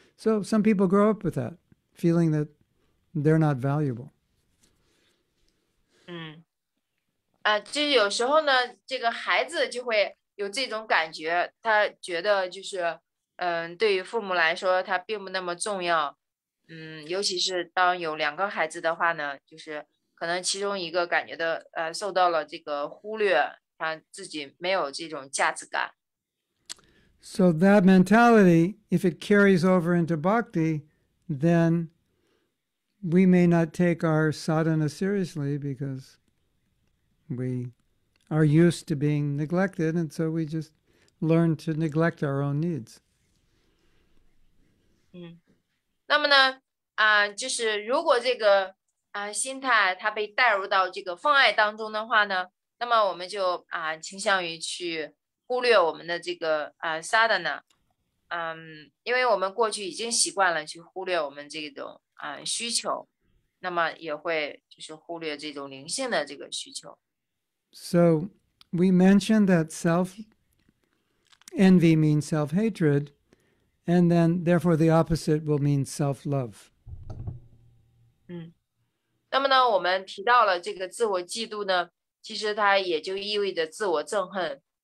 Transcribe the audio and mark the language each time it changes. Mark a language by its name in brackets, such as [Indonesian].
[English] So some people grow up with that, feeling that they're not valuable. [Chinese] 就有时候呢，这个孩子就会有这种感觉，他觉得就是对于父母来说他并不那么重要。尤其是当有两个孩子的话呢，就是可能其中一个感觉的受到了这个忽略，他自己没有这种价值感。 [English] So that mentality, if it carries over into bhakti, then we may not take our sadhana seriously because we are used to being neglected, and so we just learn to neglect our own needs. [Chinese] 那么呢，就是如果这个心态它被带入到这个妨碍当中的话呢，那么我们就倾向于去忽略我们的这个sadhana， 因为我们过去已经习惯了去忽略我们这种需求，那么也会就是忽略这种灵性的这个需求。 [English] So we mentioned that self-envy means self-hatred, and then therefore the opposite will mean self-love. [Chinese] 那么呢，我们提到了这个自我嫉妒呢，其实它也就意味着自我憎恨。